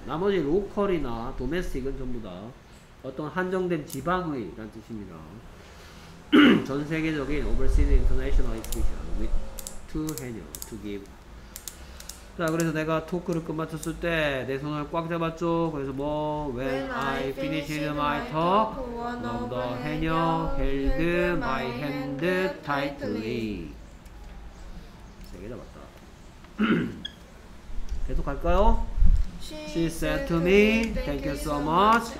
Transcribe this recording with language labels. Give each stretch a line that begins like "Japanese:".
Korean: 나머지 로컬이나 도메스틱은 전부 다 어떤 한정된 지방의 라는 뜻입니다. 전 세계적인
English: overseas international exhibition with two hands to give.
Korean: 자, 그래서 내가 토크를 끝마쳤을 때 내 손을 꽉 잡았죠. 그래서 뭐
English: when I finished my talk, one of the hands held my hand tightly.
Korean: 세게 잡았다. 계속 갈까요?
English: She said to me, thank you so much.